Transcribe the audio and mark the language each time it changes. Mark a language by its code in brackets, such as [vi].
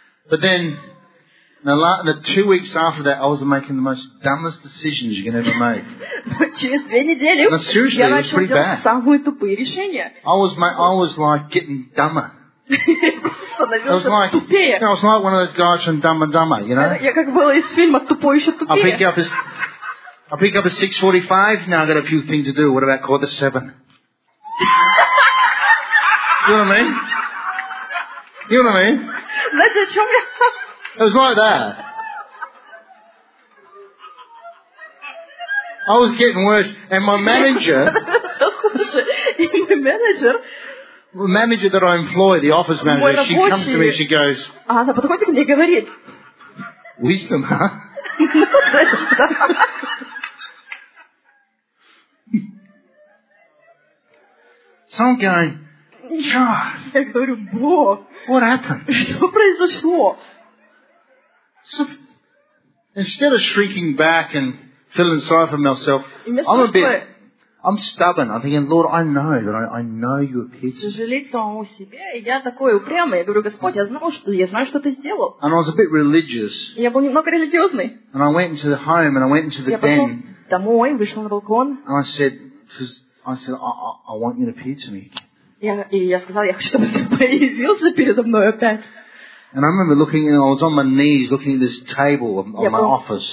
[en] But then, the 2 weeks after that, I was making the most dumbest decisions you can ever make. [ru] Но [en] seriously, it was pretty bad. [ru] Самые тупые решения. [en] I was like getting dumber. I was like one of those guys from Dumb and Dumber, you know? [ru] Я как был из фильма «Тупой еще тупее». [en] I pick up a 6:45. Now I got a few things to do. What about quarter seven? You know what I mean? [ru] Знаете, о чем я? [en] It was like that. I was getting worse, and my manager. The manager that I employ, the office manager, she comes to me. She goes. [ru] Она подходит ко мне и говорит. [en] Wisdom, huh? So I'm going, God. [ru] Я говорю, Бог. [en] What happened? [ru] Что произошло? [en] So, instead of shrinking back and feeling sorry for myself, I'm a bit, I'm stubborn. I'm thinking, Lord, I know that I know your kids. [ru] Сожалеть самому себе, я такой упрямый. Я говорю, Господь, я знаю, что ты сделал. [en] And I was a bit religious. [ru] Я был немного религиозный. [en] And I went into the home and I went into the den. [ru] Я пошел домой, вышел на балкон. [en] And I said, I want you to appear to me. [ru] Я сказал, я хочу, чтобы ты появился передо мной опять. [en] And I remember looking, and I was on my knees looking at this table of my office.